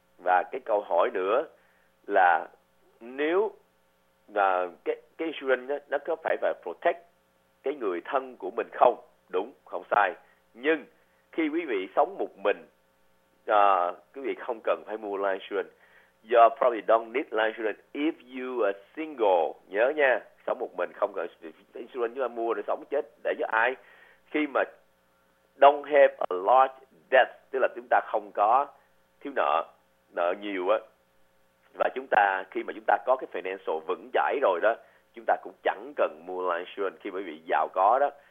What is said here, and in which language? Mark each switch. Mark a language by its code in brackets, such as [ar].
[vi] Và cái câu hỏi nữa là nếu cái insurance đó, nó có phải là protect cái người thân của mình không? Đúng, không sai. Nhưng khi quý vị sống một mình, quý vị không cần phải mua life insurance. [en] You probably don't need life insurance if you are single. [vi] Nhớ nha, sống một mình không cần insurance, chúng ta mua để sống chết để cho ai? Khi mà [en] don't have a large debt, [vi] tức là chúng ta không có thiếu nợ, nợ nhiều á, và chúng ta khi mà chúng ta có cái financial vững chãi rồi đó, chúng ta cũng chẳng cần mua life insurance khi quý vị giàu có đó.